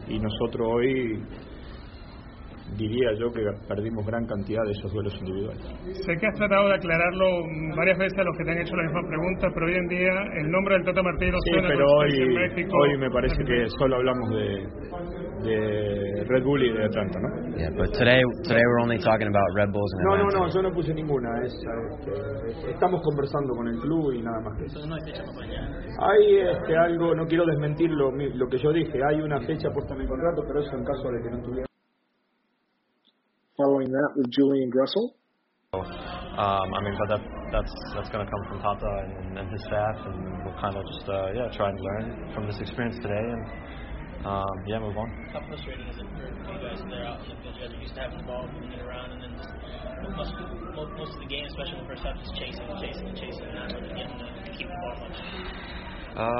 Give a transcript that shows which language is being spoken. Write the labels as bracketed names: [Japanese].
[Spanish] Y nosotros hoy diría yo que perdimos gran cantidad de esos duelos individuales. Sé que has tratado de aclararlo varias veces a los que te han hecho la misma pregunta, pero hoy en día el nombre del Tata Martino suena. Sí, pero hoy me parece que solo hablamos de Red Bull y de Atlanta, ¿no? [English] Yeah, but today we're only talking about Red Bulls and [Spanish] Atlanta. No, yo no puse ninguna. Estamos conversando con el club y nada más que eso. Hay algo, no quiero desmentir lo que yo dije, hay una fecha puesta en el contrato, pero eso en caso de que no tuviera. [English] Following that with Julian Gressel. But that's going to come from Tata and his staff, and we'll kind of just try and learn from this experience today and move on. How frustrating is it for you guys when they're out on the field? You guys are used to having the ball moving it around, and then most of the game, especially in the first half, is chasing and chasing and not really getting to keep the ball up.